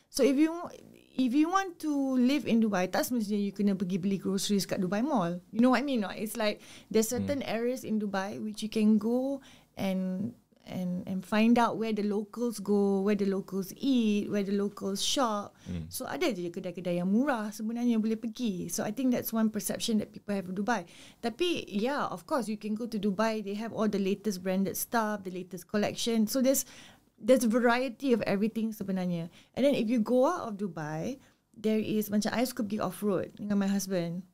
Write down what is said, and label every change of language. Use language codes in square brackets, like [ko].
[en] So if you want to live in Dubai, [ms] tak semestinya you kena pergi beli [en] groceries [ms] kat [en] Dubai Mall. You know what I mean? No? It's like there's certain areas in Dubai which you can go and and find out where the locals go, where the locals eat, where the locals shop. [ms] So ada je kedai-kedai yang murah sebenarnya boleh pergi. [en] So I think that's one perception that people have of Dubai. [ms] Tapi [en] yeah, of course you can go to Dubai, they have all the latest branded stuff, the latest collection. So there's a variety of everything [ms] sebenarnya. [en] And then if you go out of Dubai, there is [ms] macam [en] I [ms] suka pergi [en] off-road [ms] dengan [en] my husband.